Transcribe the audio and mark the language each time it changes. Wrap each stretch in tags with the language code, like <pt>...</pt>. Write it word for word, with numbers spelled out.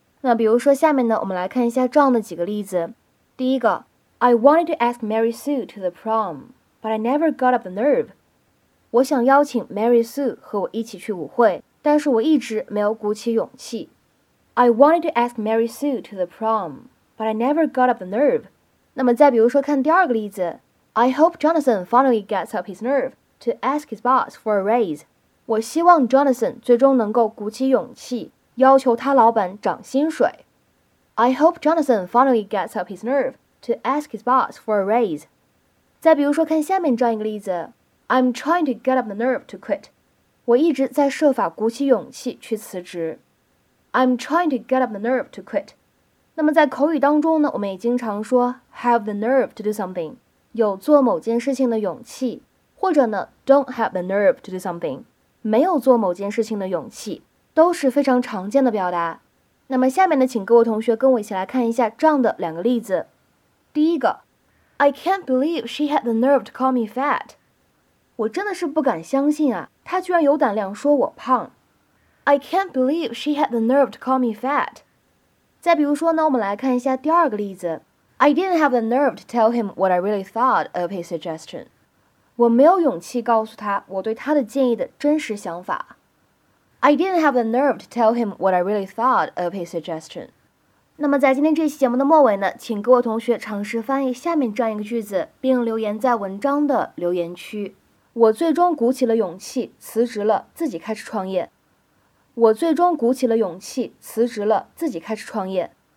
<zh>那比如说下面呢，我们来看一下这样的几个例子。第一个</zh> <en>，I wanted to ask Mary Sue to the prom, but I never got up the nerve.</en> <zh>我想邀请 Mary Sue 和我一起去舞会，但是我一直没有鼓起勇气。</zh> <en>I wanted to ask Mary Sue to the prom, but I never got up the nerve.</en> <zh>那么再比如说看第二个例子</zh> <en>，I hope Jonathan finally gets up his nerve to ask his boss for a raise.</en> <zh>我希望 Jonathan 最终能够鼓起勇气，要求他老板涨薪水。</zh> <en>I hope Jonathan finally gets up his nerve to ask his boss for a raise.</en> <zh>再比如说，看下面这样一个例子</zh> <en>：I'm trying to get up the nerve to quit.</en> <zh>我一直在设法鼓起勇气去辞职。</zh> <en>I'm trying to get up the nerve to quit.</en> <zh>那么在口语当中呢，我们也经常说</zh> <en>have the nerve to do something，</en> <zh>有做某件事情的勇气，或者呢</zh> <en>don't have the nerve to do something。</en> <zh>没有做某件事情的勇气，都是非常常见的表达。那么下面呢，请各位同学跟我一起来看一下这样的两个例子。第一个</zh> <en>，I can't believe she had the nerve to call me fat。</en> <zh>我真的是不敢相信啊，她居然有胆量说我胖。</zh> <en>I can't believe she had the nerve to call me fat。</en> <zh>再比如说呢，我们来看一下第二个例子。</zh> <en>I didn't have the nerve to tell him what I really thought of his suggestion。</en> <zh>我没有勇气告诉他我对他的建议的真实想法。</zh> <en>I didn't have the nerve to tell him what I really thought of his suggestion.</en> <zh>那么在今天这期节目的末尾呢，请各位同学尝试翻译下面这样一个句子，并留言在文章的留言区。我最终鼓起了勇气，辞职了，自己开始创业。我最终鼓起了勇气，辞职了，自己开始创业。</zh>